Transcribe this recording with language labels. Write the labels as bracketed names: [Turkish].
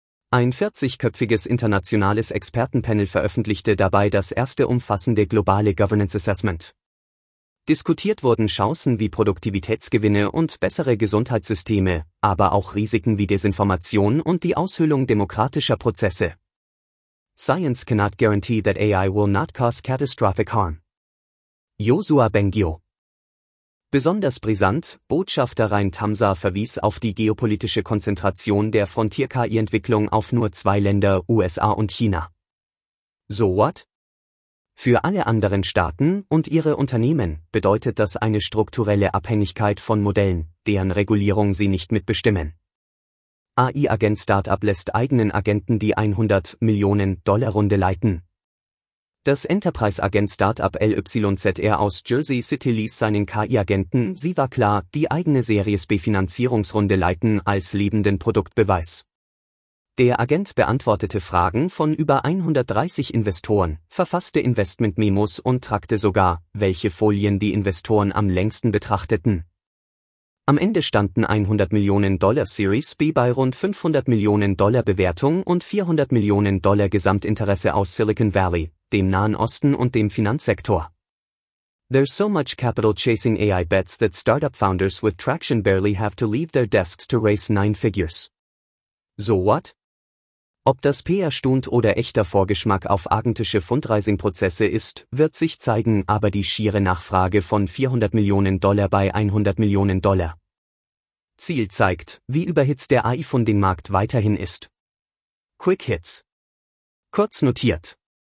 [German] Ein 40-köpfiges internationales Expertenpanel veröffentlichte dabei das erste umfassende globale Governance Assessment. Diskutiert wurden Chancen wie Produktivitätsgewinne und bessere Gesundheitssysteme, aber auch Risiken wie Desinformation und die Aushöhlung demokratischer Prozesse. [English] Science cannot guarantee that AI will not cause catastrophic harm. [German] Joshua Bengio. Besonders brisant, Botschafter Rein Tamsa verwies auf die geopolitische Konzentration der Frontier-KI-Entwicklung auf nur zwei Länder, USA und China. [English] So what? [German] Für alle anderen Staaten und ihre Unternehmen bedeutet das eine strukturelle Abhängigkeit von Modellen, deren Regulierung sie nicht mitbestimmen. AI-Agent-Startup lässt eigenen Agenten die 100 Millionen Dollar Runde leiten. Das Enterprise-Agent-Startup LYZR aus Jersey City ließ seinen KI-Agenten Siva Klar die eigene Series-B-Finanzierungsrunde leiten als lebenden Produktbeweis. Der Agent beantwortete Fragen von über 130 Investoren, verfasste Investment-Memos und trackte sogar, welche Folien die Investoren am längsten betrachteten. Am Ende standen 100 Millionen Dollar Series B bei rund 500 Millionen Dollar Bewertung und 400 Millionen Dollar Gesamtinteresse aus Silicon Valley, dem Nahen Osten und dem Finanzsektor. [English] There's so much capital chasing AI bets that startup founders with traction barely have to leave their desks to raise nine figures. So what? [German] Ob das PR-Stunt oder echter Vorgeschmack auf argentische Fundraising-Prozesse ist, wird sich zeigen, aber die schiere Nachfrage von 400 Millionen Dollar bei 100 Millionen Dollar. Ziel zeigt, wie überhitzt der AI-Funding-Markt weiterhin ist. [English] Quick Hits. [German] Kurz notiert.